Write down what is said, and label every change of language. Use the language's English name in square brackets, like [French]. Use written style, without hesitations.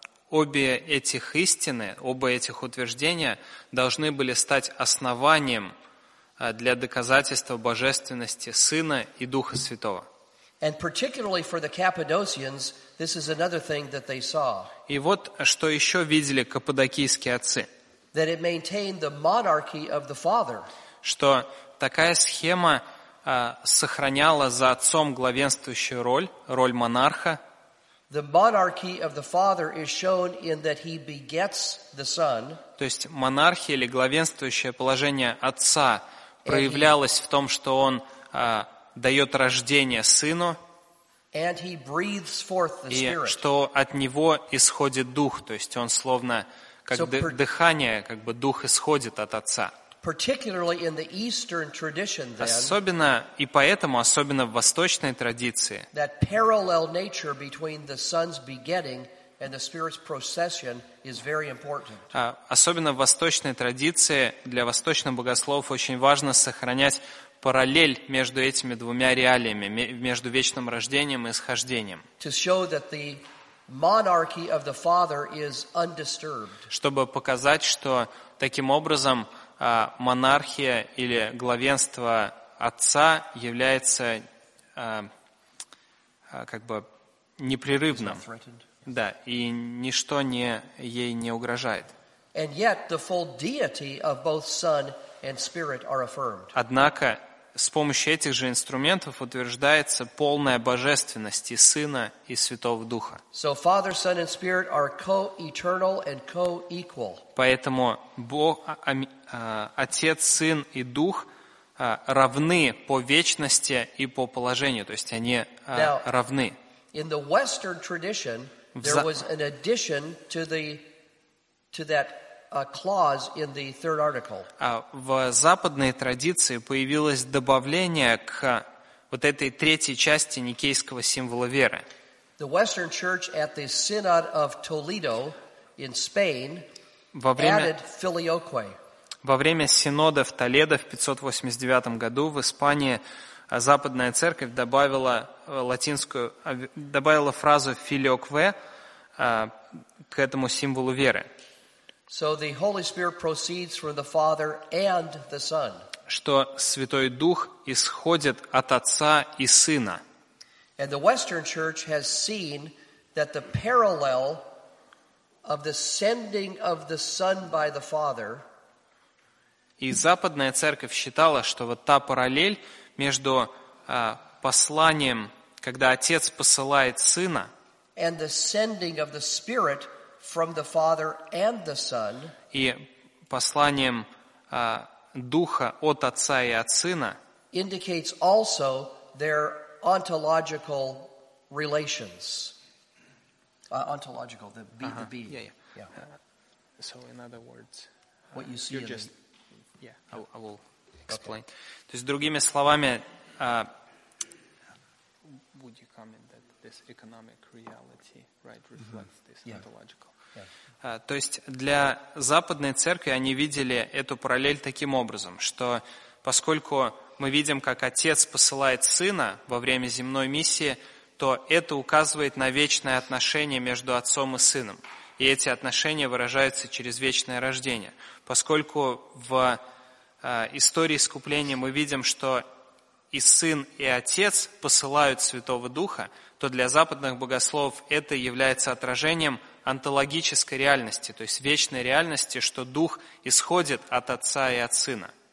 [Russian] Обе этих истины, оба этих утверждения должны были стать основанием для доказательства божественности Сына и Духа Святого. [English] And particularly for the Cappadocians, this is another thing that they saw. [Russian] И вот что еще видели каппадокийские отцы. [English] That it maintained the monarchy of the Father. [Russian] Что такая схема сохраняла за отцом главенствующую роль монарха. [English] The monarchy of the Father is shown in that He begets the Son. [Russian] То есть монархия или главенствующее положение Отца проявлялось в том, что Он дает рождение Сыну. [English] And He breathes forth the Spirit. [Russian] И что от Него исходит Дух, то есть Он словно как дыхание, как бы Дух исходит от Отца. [English] Particularly in the Eastern tradition, then. [Russian] Особенно и поэтому, особенно в восточной традиции. [English] That parallel nature between the Son's begetting and the Spirit's procession is very important. [Russian] Особенно в восточной традиции для восточных богословов очень важно сохранять параллель между этими двумя реалиями, между вечным рождением и исхождением. [English] To show that the monarchy of the Father is undisturbed. [Russian] Чтобы показать, что таким образом монархия или главенство Отца является как бы непрерывным. Да, и ничто не, ей не угрожает. [English] And yet the full deity of both Son and Spirit are affirmed. [Russian] Однако с помощью этих же инструментов утверждается полная божественность и Сына, и Святого Духа. [English] So Father, Son, and Spirit are co-eternal and co-equal. [Russian] Поэтому Бог, Отец, Сын и Дух равны по вечности и по положению, то есть они равны. [English] In the Western tradition, there was an addition to the to that clause in the third article. [Russian] В западной традиции появилось добавление к вот этой третьей части никейского символа веры. [English] The Western Church at the Synod of Toledo in Spain added filioque. [Russian] Во время синода в Толедо в 589 году в Испании Западная Церковь добавила латинскую, добавила фразу «филиокве» к этому символу веры. [English] So the Holy Spirit proceeds from the Father and the Son. [Russian] Что Святой Дух исходит от Отца и Сына. [English] And the Western Church has seen that the parallel of the sending of the Son by the Father. [Russian] И Западная Церковь считала, что вот та параллель между посланием, когда Отец посылает Сына, [English] and the sending of the Spirit from the Father and the Son, [Russian] и посланием Духа от Отца и от Сына, [English] indicates also their ontological relations. Ontological, the being. Uh-huh. So in other words, what you see in just... the... I will explain. [Russian] То есть другими словами, [English] would you comment that this economic reality, right, reflects this ontological? [Russian] То есть для Западной Церкви они видели эту параллель таким образом, что поскольку мы видим, как Отец посылает Сына во время земной миссии, то это указывает на вечное отношение между Отцом и Сыном. И эти отношения выражаются через вечное рождение. Поскольку в истории искупления мы видим, что и Сын, и Отец посылают Святого Духа, то для западных богословов это является отражением онтологической реальности, то есть вечной реальности, что Дух исходит от Отца и от Сына.